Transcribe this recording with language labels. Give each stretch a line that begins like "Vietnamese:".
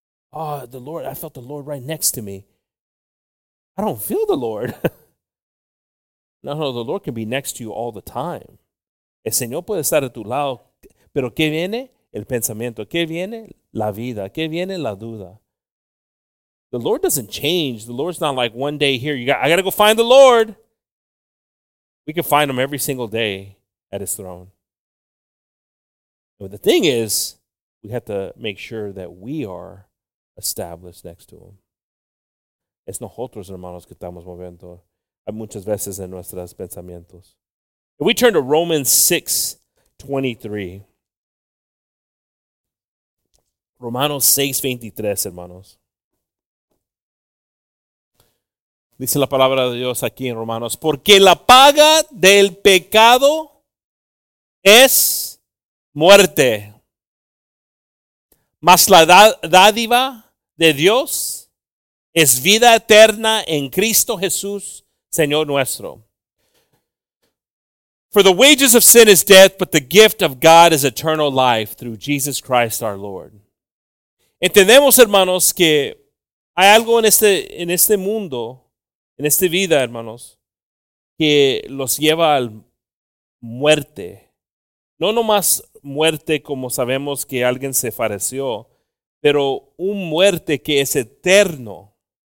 English: Oh, the Lord, I felt the Lord right next to me. I don't feel the Lord. No, the Lord can be next to you all the time.
Spanish: El Señor puede estar a tu lado, pero ¿qué viene? El pensamiento. ¿Qué viene? La vida. ¿Qué viene? La duda.
English: The Lord doesn't change. The Lord's not like one day here. I got to go find the Lord. We can find him every single day at his throne. But the thing is, we have to make sure that we are established next to him.
Spanish: Es nosotros, hermanos, que estamos moviendo muchas veces en nuestros pensamientos.
English: If we turn to Romans 6:23.
Spanish: Romanos 6:23, hermanos. Dice la palabra de Dios aquí en Romanos. Porque la paga del pecado es muerte. Mas la dádiva de Dios es vida eterna en Cristo Jesús, Señor nuestro.
English: For the wages of sin is death, but the gift of God is eternal life through Jesus Christ our Lord.
Spanish: Entendemos, hermanos, que hay algo en este mundo, en esta vida, hermanos, que los lleva a muerte. No nomás muerte como sabemos que alguien se falleció, pero un muerte que es eterno.